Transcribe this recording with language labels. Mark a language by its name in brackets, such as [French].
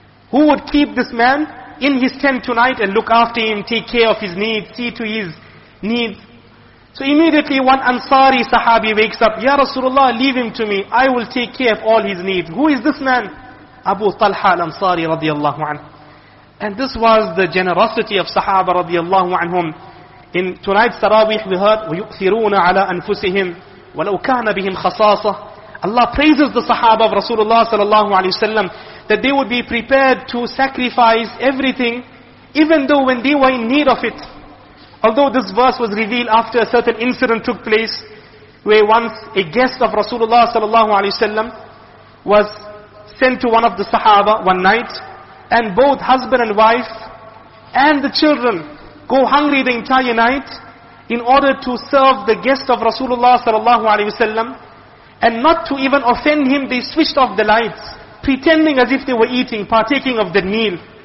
[English] Who would keep this man in his tent tonight and look after him, take care of his needs, see to his needs? So immediately one Ansari Sahabi wakes up. Ya Rasulullah, leave him to me. I will take care of all his needs. Who is this man? Abu Talha al-Ansari radiallahu anhu. And this was the generosity of Sahaba radiallahu anhum. In tonight's Tarawih we heard, [Arabic] وَيُؤْثِرُونَ عَلَىٰ أَنفُسِهِمْ وَلَوْ كَانَ بِهِمْ خَصَاصَةٌ. [English] Allah praises the Sahaba of Rasulullah sallallahu alayhi wa sallam, that they would be prepared to sacrifice everything, even though when they were in need of it. Although this verse was revealed after a certain incident took place, where once a guest of Rasulullah sallallahu alayhi wa sallam was sent to one of the Sahaba one night, and both husband and wife and the children go hungry the entire night in order to serve the guest of Rasulullah sallallahu alayhi wa sallam, and not to even offend him, they switched off the lights, pretending as if they were eating, partaking of that meal.